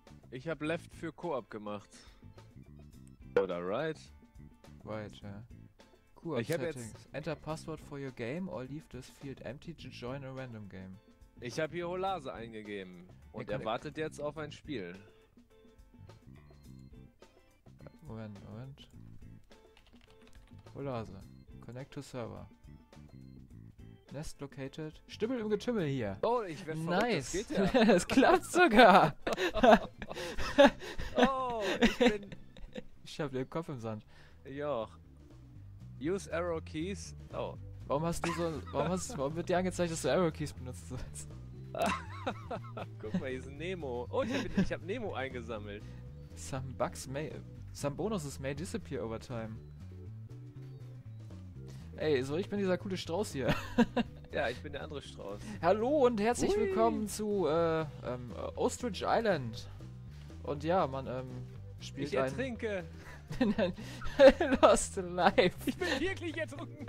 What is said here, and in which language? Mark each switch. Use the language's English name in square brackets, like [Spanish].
[German] Ich hab left für Koop gemacht. Oder right? Right, ja. Koop Settings. Jetzt... [English] Enter password for your game or leave this field empty to join a random game. [German] Ich hab hier Holase eingegeben. Und er wartet jetzt auf ein Spiel. Moment, Moment. [English] Holase. Connect to server. Nest located. [German] Stimmel im Getümmel hier. Oh, ich werd verrückt. [English] Nice. [German] Das geht ja. Es klappt sogar. Oh, ich bin... Ich hab den Kopf im Sand. [English] Joch. Use arrow keys. Oh. [German] Warum hast du so... Warum wird dir angezeigt, dass du arrow keys benutzt sollst? Guck mal, hier ist ein Nemo. Oh, ich hab Nemo eingesammelt. [English] Some bugs may... Some bonuses may disappear over time. [German] Ey, so, ich bin dieser coole Strauß hier. Ja, ich bin der andere Strauß. Hallo und herzlich willkommen zu Ostrich Island. Und ja, man spielt ein... Ich ertrinke. [English] Lost Life. [German] Ich bin wirklich ertrunken,